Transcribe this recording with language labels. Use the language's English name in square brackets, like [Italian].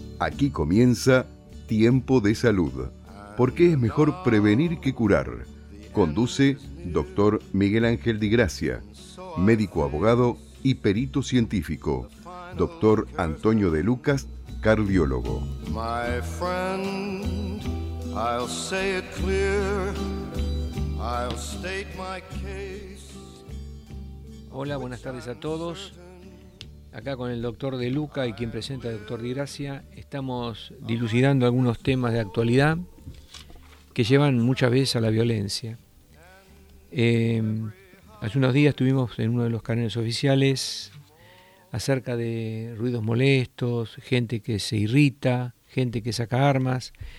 [Spanish] Aquí comienza Tiempo de Salud. ¿Por qué es mejor prevenir que curar? Conduce Dr. Miguel Ángel Di Gracia, médico abogado y perito científico. Dr. Antonio De Lucas, cardiólogo. [English] My friend, I'll say it clear. I'll state my case. [Spanish] Hola, buenas tardes a todos. Acá con el doctor De Luca y quien presenta el doctor Di Gracia, estamos dilucidando algunos temas de actualidad que llevan muchas veces a la violencia. Hace unos días estuvimos en uno de los canales oficiales acerca de ruidos molestos, gente que se irrita, gente que saca armas.